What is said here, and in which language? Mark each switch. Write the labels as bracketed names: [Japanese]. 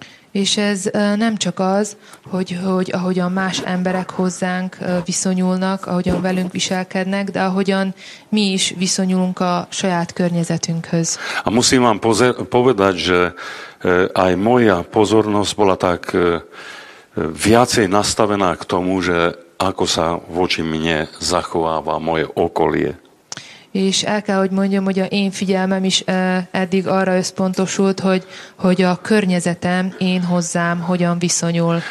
[Hungarian] És ez nem csak az, hogy ahogyan más emberek hozzánk viszonyulnak, ahogyan velünk viselkednek, de ahogyan mi is viszonyulunk a saját környezetünkhöz. [Slovak] A musím vám povedať, že aj moja pozornosť bola tak viacej nastavená k tomu, že ako sa voči mne zachováva moje okolie. [Hungarian] És el kell, hogy mondjam, hogy a én figyelmem is eddig arra összpontosult, hogy a környezetem én hozzám hogyan viszonyul.